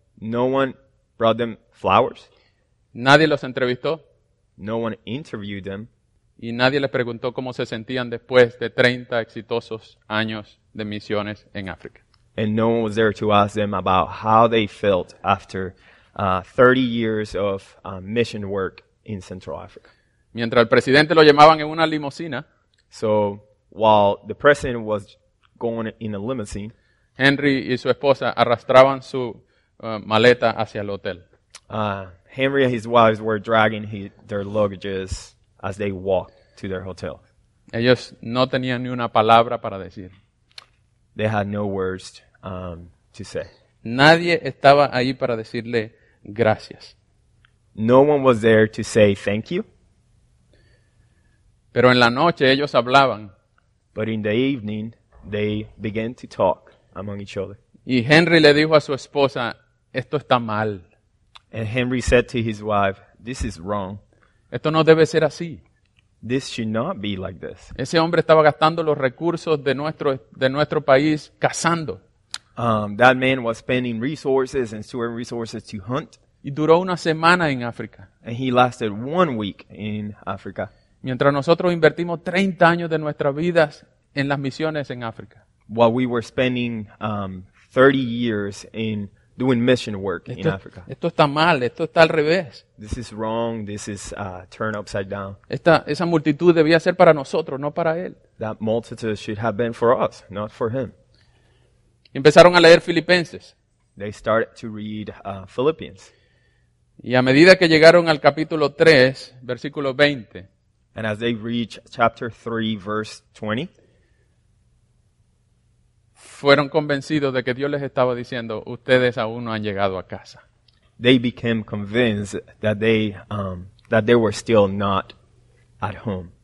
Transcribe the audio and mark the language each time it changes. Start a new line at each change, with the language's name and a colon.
English: No one brought them flowers.
Spanish: Nadie los entrevistó.
English: No one interviewed them.
Spanish: Y nadie les preguntó cómo se sentían después de 30 exitosos años de misiones en África.
English: And no one was there to ask them about how they felt after 30 years of mission work in Central Africa.
Spanish: Mientras el presidente lo llamaban en una limusina,
English: so while the president was going in a limousine,
Spanish: Henry y su esposa arrastraban su maleta hacia el hotel.
English: Henry and his wives were dragging their luggages as they walked to their hotel.
Spanish: Ellos no tenían ni una palabra para decir.
English: They had no words to say.
Spanish: Nadie estaba ahí para decirle gracias.
English: No one was there to say thank you.
Spanish: Pero en la noche ellos hablaban.
English: But in the evening, they began to talk among each other.
Spanish: Y Henry le dijo a su esposa, esto está mal.
English: And Henry said to his wife, this is wrong.
Spanish: Esto no debe ser así.
English: This should not be like this.
Spanish: Ese hombre estaba gastando los recursos de nuestro país cazando.
English: That man was spending resources and storing resources to hunt.
Spanish: Y duró una semana en África.
English: And he lasted 1 week in Africa.
Spanish: Mientras nosotros invertimos 30 años de nuestras vidas en las misiones en África.
English: While we were spending 30 years in doing mission work in Africa.
Spanish: Esto está mal, esto está al revés.
English: This is wrong, this is turned upside down.
Spanish: Esa multitud debía ser para nosotros, no para él.
English: That multitude should have been for us, not for him.
Spanish: Y empezaron a leer Filipenses.
English: They started to read Philippians.
Spanish: Y a medida que llegaron al capítulo 3, versículo 20.
English: And as they reached chapter 3, verse 20.
Spanish: Fueron convencidos de que Dios les estaba diciendo, ustedes aún no han llegado a casa.
English: they became convinced that they were still not at home.